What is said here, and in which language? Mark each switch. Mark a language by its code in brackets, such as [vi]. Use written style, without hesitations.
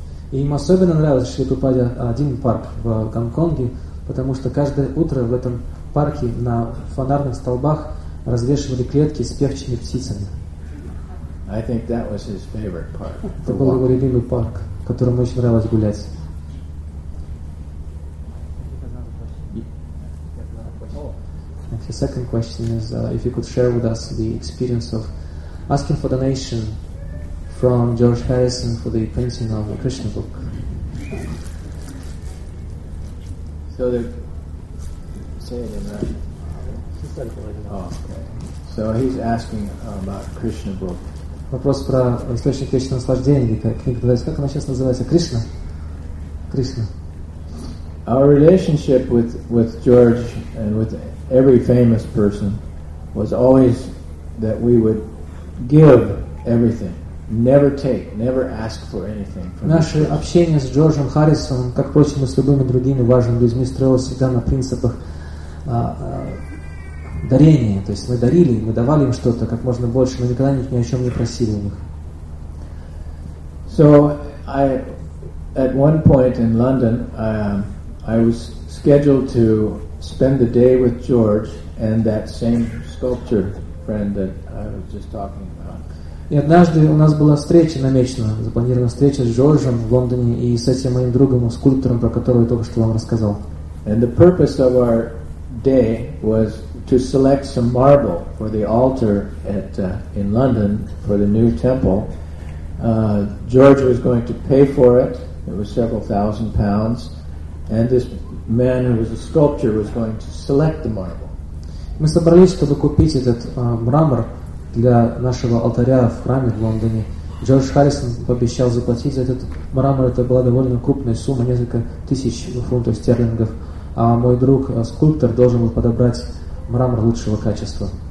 [ru] И ему особенно нравился Шри Прабхупаде один парк в Гонконге, потому что каждое утро в этом парке на фонарных столбах развешивали клетки с певчими птицами. [en] I think that was his favorite park. [ru] Это был его любимый парк, в котором очень нравилось гулять. [en] The second question is if you could share with us the experience of asking for donation from George Harrison for the painting of the Krishna book. So the he's asking about Krishna book. [ru] Вопрос про источник вечного наслаждения, как она сейчас называется? Кришна. Кришна. [en] Our relationship with George and with every famous person was always that we would give everything, never take, never ask for anything. [ru] Наше общение с Джорджем Харрисоном, как впрочем, и с любыми другими важными людьми, строилось всегда на принципах дарения. То есть мы дарили, мы давали им что-то как можно больше, мы никогда ни о чем не просили у них. [en] So I at one point in London I was scheduled to spend the day with George and that same sculpture friend that I was just talking about. [ru] И однажды у нас была встреча намечена, запланирована встреча с Джорджем в Лондоне и с этим моим другом, скульптором, про которого я только что вам рассказал. [en] And the purpose of our day was to select some marble for the altar at in London for the new temple. George was going to pay for it. It was several thousand pounds. And this man who was a sculptor was going to select the marble. [ru] Мы собрались, чтобы купить этот мрамор для нашего алтаря в храме в Лондоне. Джордж Харрисон пообещал заплатить за этот мрамор. Это была довольно крупная сумма, несколько тысяч фунтов стерлингов. А мой друг, скульптор, должен был подобрать мрамор лучшего качества.